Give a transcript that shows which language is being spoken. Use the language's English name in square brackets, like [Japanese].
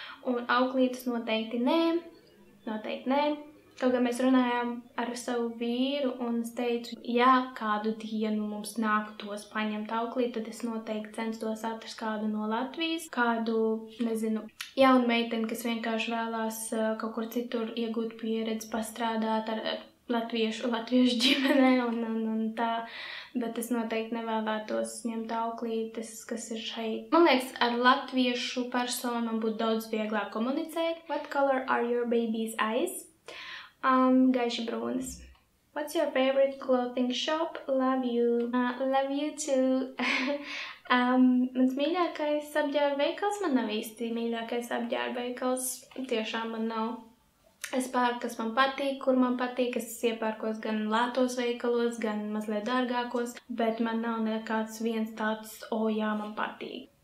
[Latvian] Un auklītes noteikti nē. Noteikti nē. Kaut kā mēs runājām ar savu vīru un es teicu, ja kādu dienu mums nāk tos paņemt auklīti, tad es noteikti censtos atrast kādu no Latvijas, kādu, nezinu, jaunu meiteni, kas vienkārši vēlās kaut kur citur iegūt pieredzi, pastrādāt ar latviešu ģimenē un tā, bet es noteikti nevēlētos ņemt auklītes, kas ir šeit. Man liekas, ar latviešu personu būtu daudz vieglāk komunicēt. [English] What color are your baby's eyes? [Latvian] Gaiši brūnas. [English] What's your favorite clothing shop? Love you. Love you too. [Latvian] mans mīļākais apģērbveikals man nav īsti mīļākais apģērbveikals. Tiešām man nav. Es pārku, kas man patīk, kur man patīk, es iepārkos gan lētos veikalos, gan mazliet dārgākos, bet man nav nekāds viens tāds, jā, man patīk.